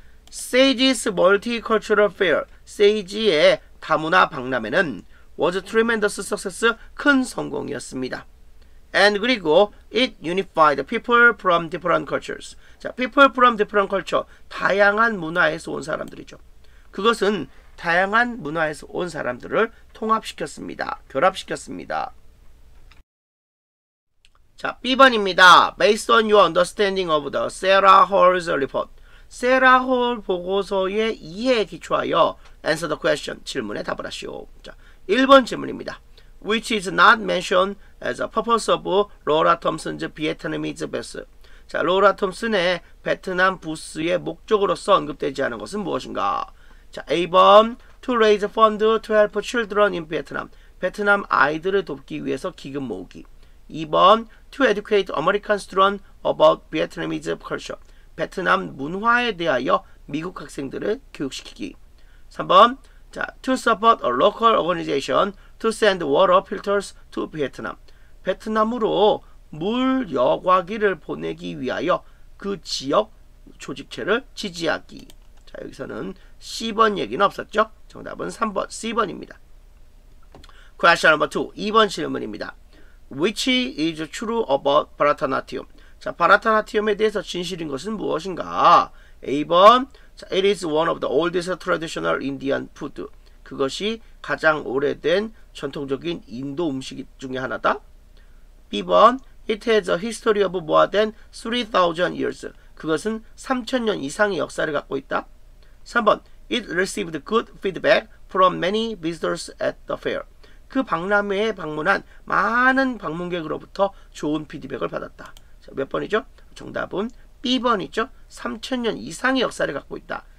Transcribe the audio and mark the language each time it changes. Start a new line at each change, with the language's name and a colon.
English: Sage's Multicultural Fair,
Korean: Sage의 다문화 박람회는
English: was a tremendous success,
Korean: 큰 성공이었습니다.
English: And 그리고 it unified people from different cultures.
Korean: 자,
English: people from different culture,
Korean: 다양한 문화에서 온 사람들이죠. 그것은 다양한 문화에서 온 사람들을 통합시켰습니다. 결합시켰습니다. 자, B번입니다.
English: Based on your understanding of the Sarah Hall's report.
Korean: Sarah Hall 보고서의 이해에 기초하여
English: answer the question,
Korean: 질문에 답을 하시오. 자, 1번 질문입니다.
English: Which is not mentioned as a purpose of Laura Thompson's Vietnamese booth.
Korean: 자, 로라 톰슨의 베트남 부스의 목적으로서 언급되지 않은 것은 무엇인가?
English: 자, A번, to raise fund to help children in Vietnam.
Korean: 베트남 아이들을 돕기 위해서 기금 모으기.
English: 2번, to educate American students about Vietnamese culture.
Korean: 베트남 문화에 대하여 미국 학생들을 교육시키기.
English: 3번, 자, to support a local organization to send water filters to Vietnam.
Korean: 베트남으로 물 여과기를 보내기 위하여 그 지역 조직체를 지지하기. 자, 여기서는 C번 얘기는 없었죠? 정답은 3번, C번입니다.
English: Question number 2,
Korean: 2번 질문입니다.
English: Which is true about Bharatanatyam? 자, Bharatanatyam
Korean: 에 대해서 진실인 것은 무엇인가?
English: A번, it is one of the oldest traditional Indian food.
Korean: 그것이 가장 오래된 전통적인 인도 음식 중에 하나다.
English: B번, it has a history of more than 3,000 years.
Korean: 그것은 3,000년 이상의 역사를 갖고 있다.
English: 3번, it received good feedback from many visitors at the fair.
Korean: 그 박람회에 방문한 많은 방문객으로부터 좋은 피드백을 받았다. 자, 몇 번이죠? 정답은 B번이죠. 3,000년 이상의 역사를 갖고 있다.